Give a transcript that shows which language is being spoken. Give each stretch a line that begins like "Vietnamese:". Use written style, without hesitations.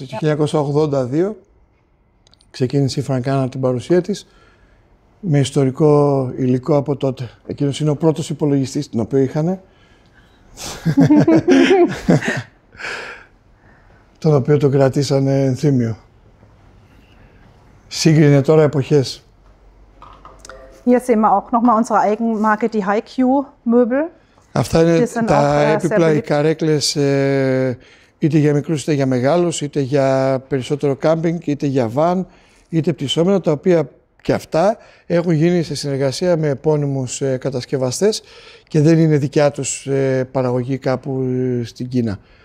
Greek: Ja. Το 1982 ξεκίνησε η Φραγκάνα την παρουσία της με ιστορικό υλικό από τότε. Εκείνος είναι ο πρώτος υπολογιστής τον οποίο είχαν. Τον οποίο το κρατήσανε ενθύμιο. Σύγκρινε τώρα εποχές.
German: Hier sehen wir auch nochmal unsere Eigenmarke, die HiQ-Möbel.
Greek: Αυτά είναι τα έπιπλα, οι καρέκλες, είτε για μικρούς, είτε για μεγάλους, είτε για περισσότερο κάμπινγκ, είτε για βαν, είτε πτυσσόμενα, τα οποία και αυτά έχουν γίνει σε συνεργασία με επώνυμους κατασκευαστές και δεν είναι δικιά τους παραγωγή κάπου στην Κίνα.